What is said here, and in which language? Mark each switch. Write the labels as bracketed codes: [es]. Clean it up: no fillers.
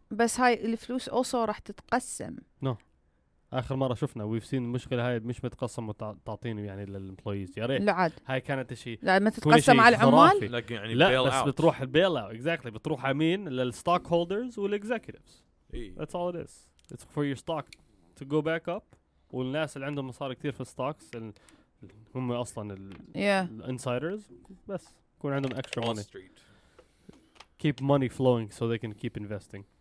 [ar] بس هاي الفلوس [en] also [ar] رح تتقسم. [en] No. [ar] آخر مرة شفنا, [en] we've seen [ar] المشكلة هاي مش متقسم وتعطيني يعني للإمبلويز يا ريت. لا عاد. هاي كانت شيء. لا ما تتقسم على العمال. لكن يعني لا بس بتروح البيل أو [en] exactly [ar] بتروح أمين للستوك هولدرز والإكزيكتيفز. إيه. [en] That's all it is. It's for your stock to go back up. [ar] والناس اللي عندهم مصاري كتير في الستوكس هم أصلاً ال. [en] Yeah. [ar] Insiders بس يكون عندهم [en] extra Wall money. Wall Street. Keep money flowing so they can keep investing.